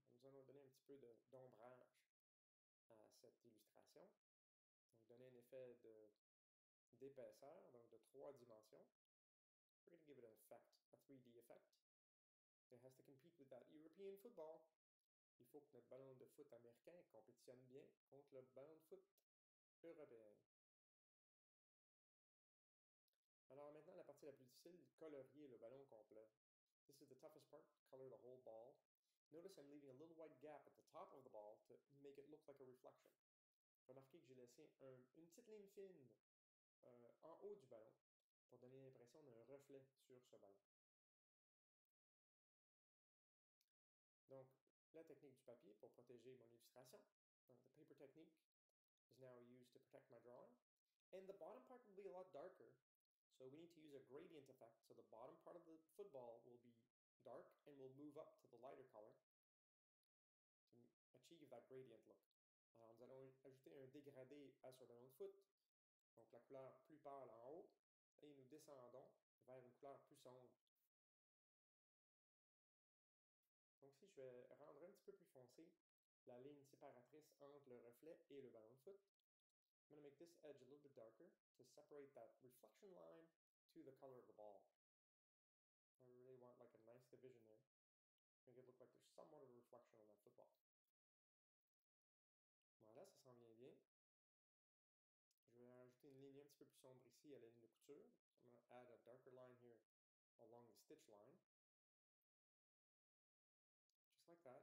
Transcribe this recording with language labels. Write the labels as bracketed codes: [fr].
[fr] Nous allons donner un petit peu d'ombrage à cette illustration. Donc donner un effet d'épaisseur, donc de trois dimensions. [en] We're going to give it an effect, a 3D effect. It has to compete with that European football. [fr] Il faut que notre ballon de foot américain compétitionne bien contre le ballon de foot européen. Alors maintenant, la partie la plus difficile, colorier le ballon complet. [en] This is the toughest part, color the whole ball. Notice I'm leaving a little white gap at the top of the ball to make it look like a reflection. [fr] Remarquez que j'ai laissé une petite ligne fine en haut du ballon pour donner l'impression d'un reflet sur ce ballon. Donc, la technique du papier pour protéger mon illustration. [en] Donc, the paper technique is now used to protect my drawing. And the bottom part will be a lot darker. So we need to use a gradient effect, so the bottom part of the football will be dark and will move up to the lighter color to achieve that gradient look. [fr] Alors, nous allons ajouter un dégradé à ce ballon de foot, donc la couleur plus pâle en haut, et nous descendons vers une couleur plus sombre. Donc si je vais rendre un petit peu plus foncé la ligne séparatrice entre le reflet et le ballon de foot, [en] I'm going to make this edge a little bit darker to separate that reflection line to the color of the ball. I really want like a nice division there. Make it look like there's somewhat of a reflection on that football. [fr] Voilà, ça s'en vient bien. Je vais ajouter une ligne un petit peu plus sombre ici à la ligne de couture. [en] So I'm going to add a darker line here along the stitch line. Just like